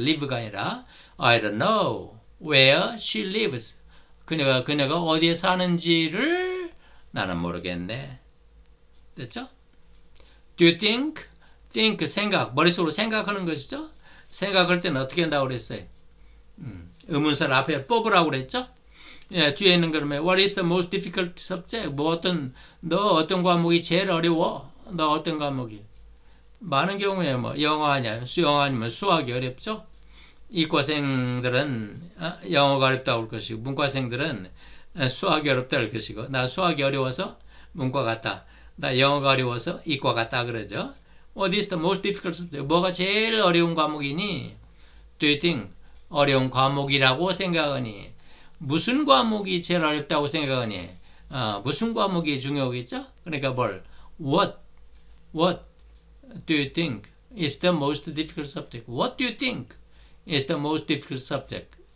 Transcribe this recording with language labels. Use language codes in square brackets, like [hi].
[ko] live가 아니라 [en] I don't know where she lives. [ko] 그녀가 어디에 사는지를 나는 모르겠네. 됐죠? [en] Do you think? Think, [ko] 생각. 머릿속으로 생각하는 것이죠? 생각할 때는 어떻게 한다고 그랬어요? 의문사를 앞에 뽑으라고 그랬죠? 예, 뒤에 있는 그러면 [en] What is the most difficult subject? [ko] 너 어떤 과목이 제일 어려워? 너 어떤 과목이? 많은 경우에 뭐 영어 아니야? 수영 아니면 수학이 어렵죠? 이과생들은 영어가 어렵다고 할 것이고 문과생들은 수학이 어렵다 할 것이고 나 수학이 어려워서 문과 같다. 나 영어가 어려워서 이과 같다 그러죠. [en] What is the most difficult subject? [ko] 뭐가 제일 어려운 과목이니? [en] Do you think [ko] 어려운 과목이라고 생각하니? 무슨 과목이 제일 어렵다고 생각하니? 무슨 과목이 중요하겠죠? 그러니까 뭘? [en] What do you think is the most difficult subject? What do you think is the most difficult subject?